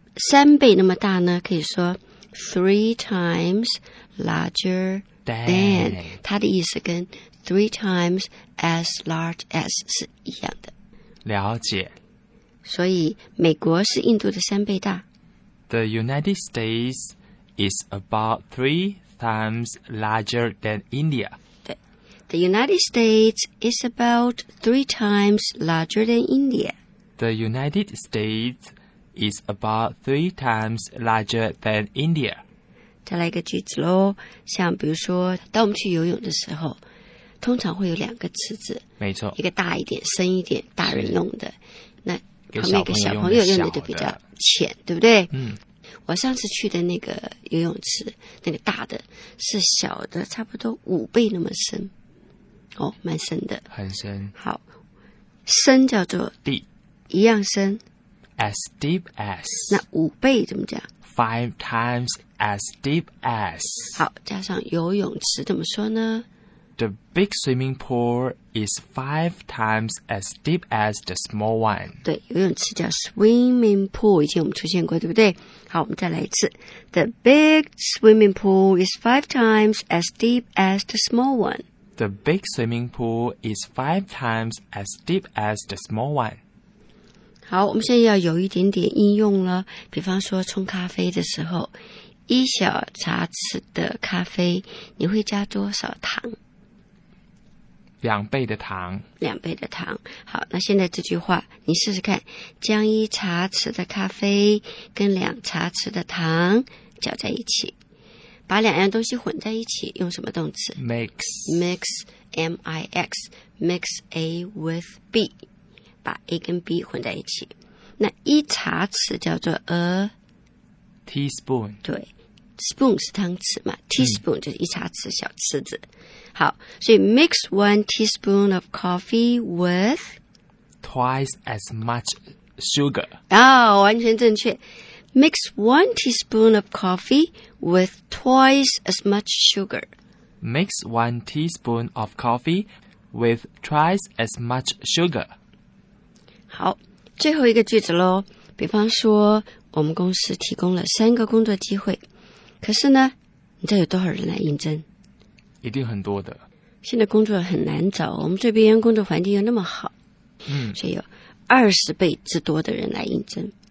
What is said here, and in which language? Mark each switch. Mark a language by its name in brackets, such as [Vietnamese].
[Chinese] 三倍那么大呢，可以说 three times larger than， 它的意思跟 three times as large as 是一样的。了解。所以美国是印度的三倍大。 [English] The United States is about three times larger than India. [Chinese] 对。 [English] The United States is about three times larger than India. The United States is about three times larger than India. [Chinese] 再来一个句子咯，像比如说当我们去游泳的时候，通常会有两个池子。没错。一个大一点深一点，大人用的。那旁边一个小朋友用的就比较浅，对不对？嗯，我上次去的那个游泳池，那个大的是小的，差不多五倍那么深。哦，蛮深的。很深。好，深叫做 [English] deep， [Chinese] 一样深。 [English] As deep as。 [Chinese] 那五倍怎么讲 [English] ？Five times as deep as。 [Chinese] 好，加上游泳池怎么说呢 [English] ？The big swimming pool is five times as deep as the small one. [Chinese] 对，游泳池叫 swimming pool， 以前我们出现过，对不对？好，我们再来一次。 [English] The big swimming pool is five times as deep as the small one. The big swimming pool is five times as deep as the small one. [Chinese] 好，我们现在要有一点点应用了。比方说冲咖啡的时候，一小茶匙的咖啡，你会加多少糖？两倍的糖，两倍的糖。好，那现在这句话你试试看，将一茶匙的咖啡跟两茶匙的糖搅在一起，把两样东西混在一起，用什么动词 [English] ？Mix， mix， m i x， mix a with b， [Chinese] 把 a 跟 b 混在一起。那一茶匙叫做 a [English] teaspoon， [Chinese] 对 ，spoon 是汤匙嘛 ，teaspoon 就是一茶匙小匙子。好，所以 [English] mix one teaspoon of coffee with twice as much sugar. [Chinese] 哦，完全正确。 [English] Mix one teaspoon of coffee with twice as much sugar. Mix one teaspoon of coffee with twice as much sugar. [Chinese] 好，最后一个句子咯，比方说，我们公司提供了三个工作机会，可是呢，你知道有多少人来应征？一定很多的。现在工作很难找，我们这边工作环境又那么好，所以有20倍之多的人来应征。